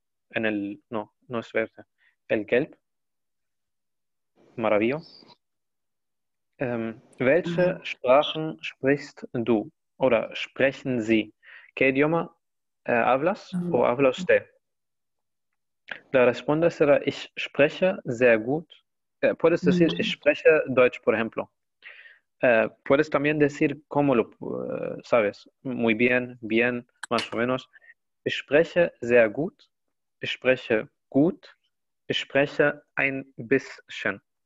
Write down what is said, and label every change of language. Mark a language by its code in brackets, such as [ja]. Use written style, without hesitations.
[es] En el. No, no es verde. El gelb. Maravillo. [de] ¿Welche Sprachen sprichst du? Oder sprechen Sie? [es] ¿Qué idioma hablas o habla usted? La respuesta será: [de] Ich spreche sehr gut. [es] Puedes decir: [de] Ich spreche Deutsch, [es] por ejemplo. Puedes también decir cómo lo sabes. Muy bien, bien, más o menos. [de] Ich spreche sehr gut. Ich spreche gut. Ich spreche ein bisschen.